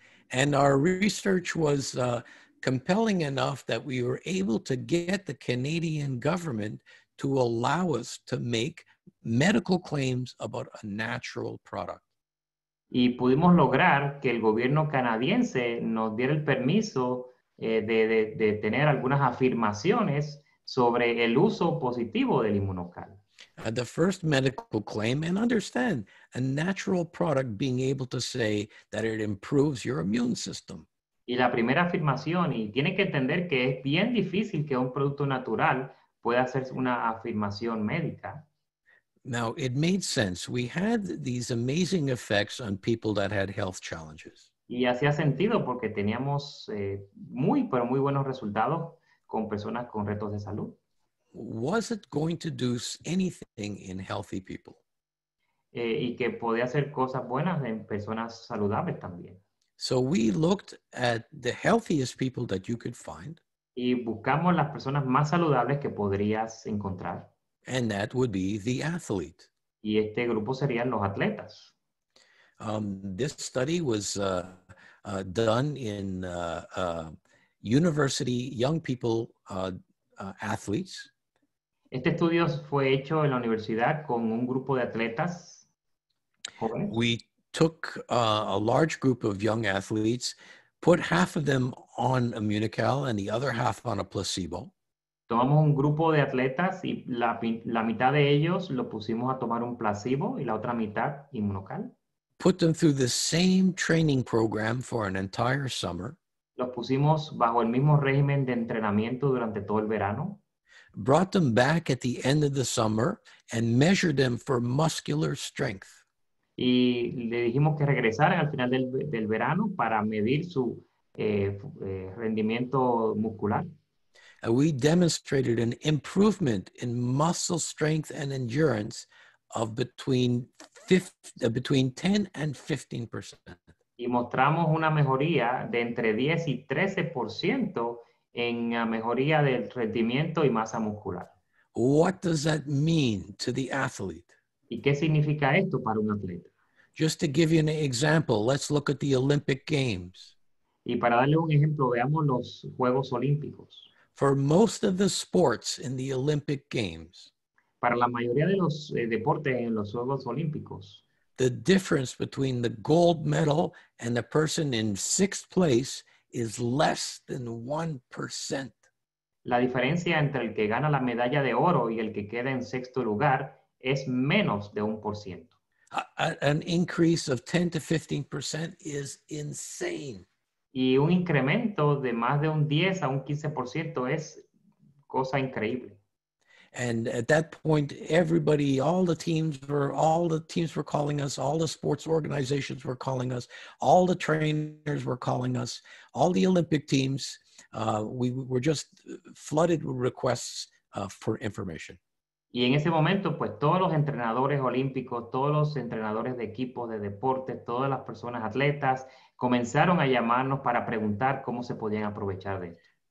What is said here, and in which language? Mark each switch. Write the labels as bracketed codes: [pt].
[en] And our research was compelling enough that we were able to get the Canadian government to allow us to make medical claims about a natural product. [es] Y pudimos lograr que el gobierno canadiense nos diera el permiso de tener algunas afirmaciones sobre el uso positivo del inmunocal. [en] The first medical claim, and understand, a natural product being able to say that it improves your immune system. [es] Y la primera afirmación, y tiene que entender que es bien difícil que un producto natural pueda hacer una afirmación médica. [en] Now, it made sense. We had these amazing effects on people that had health challenges. [es] Y hacía sentido porque teníamos muy, pero muy buenos resultados con personas con retos de salud. [en] Was it going to do anything in healthy people? [es] Y que podía hacer cosas buenas en personas saludables también. [en] So we looked at the healthiest people that you could find. [es] Y buscamos las personas más saludables que podrías encontrar. [en] And that would be the athlete. [es] Y este grupo serían los atletas. [en] This study was done in university young people athletes. [es] Este estudio fue hecho en la universidad con un grupo de atletas jóvenes. [en] We took a large group of young athletes, put half of them on Immunocal and the other half on a placebo. [es] Tomamos un grupo de atletas y la mitad de ellos lo pusimos a tomar un placebo y la otra mitad Inmunocal. [en] Put them through the same training program for an entire summer. [es] Los pusimos bajo el mismo régimen de entrenamiento durante todo el verano. [en] Brought them back at the end of the summer and measured them for muscular strength. [es] Y le dijimos que regresaran al final del verano para medir su rendimiento muscular. [en] We demonstrated an improvement in muscle strength and endurance of between 10 and 15%. [es] Y mostramos una mejoría de entre 10 y 13% en mejoría del rendimiento y masa muscular. [en] What does that mean to the athlete? [es] ¿Y qué significa esto para un atleta? [en] Just to give you an example, let's look at the Olympic Games. [es] Y para darle un ejemplo, veamos los Juegos Olímpicos. [en] For most of the sports in the Olympic Games, [es] para la mayoría de los deportes en los Juegos Olímpicos. [en] The difference between the gold medal and the person in sixth place is less than 1%. [es] La diferencia entre el que gana la medalla de oro y el que queda en sexto lugar es menos de 1%. [en] An increase of 10 to 15% is insane. [es] Y un incremento de más de un 10 a un 15% es cosa increíble. [en] And at that point, everybody, all the teams were calling us, all the sports organizations were calling us, all the trainers were calling us, all the Olympic teams, we were just flooded with requests for information. [es] Y en ese momento, pues todos los entrenadores olímpicos, todos los entrenadores de equipos de deportes, todas las personas atletas comenzaron a llamarnos para preguntar cómo se podían aprovechar de esto.